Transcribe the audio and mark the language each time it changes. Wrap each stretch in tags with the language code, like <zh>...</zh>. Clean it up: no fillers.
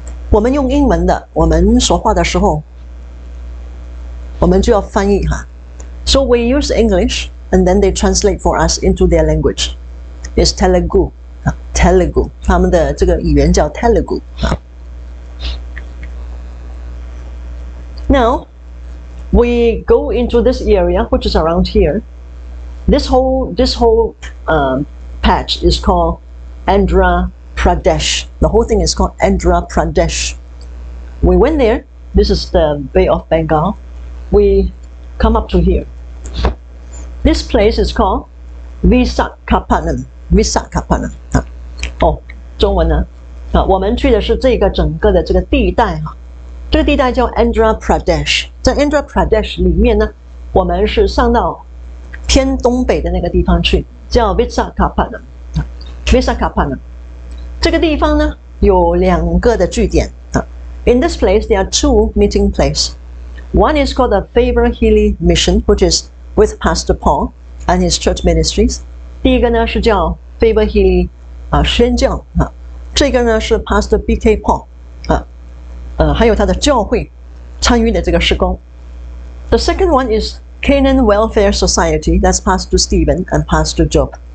<zh>我们用英文的，我们说话的时候，我们就要翻译哈。</zh> <en>So we use English, and then they translate for us into their language. It's Telugu, Telugu.</en> <zh>他们的这个语言叫 Telugu.</zh> <en>Now, we go into this area, which is around here. This whole patch is called Andhra Pradesh. The whole thing is called Andhra Pradesh. We went there. This is the Bay of Bengal. We come up to here. This place is called Visakhapatnam. Visakhapatnam.</en> <zh>Oh, 中文呢？我们去的是这个整个的这个地带啊。这个地带叫 Andhra Pradesh. 在 Andhra Pradesh 里面呢，我们是上到偏东北的那个地方去，叫 Visakhapatnam. Visakhapatnam. 这个地方呢，有两个的据点。</zh> <en>In this place, there are two meeting places. One is called the Faber Healy Mission, which is with Pastor Paul and his church ministries.</en> <zh>第一个呢是叫 Faber Healy 宣教，这个呢是 Pastor B.K.</zh> <en>Paul</en> <zh>还有他的教会参与的这个事工。</zh> <en>The second one is Canaan Welfare Society, that's Pastor Stephen and Pastor Job.</en>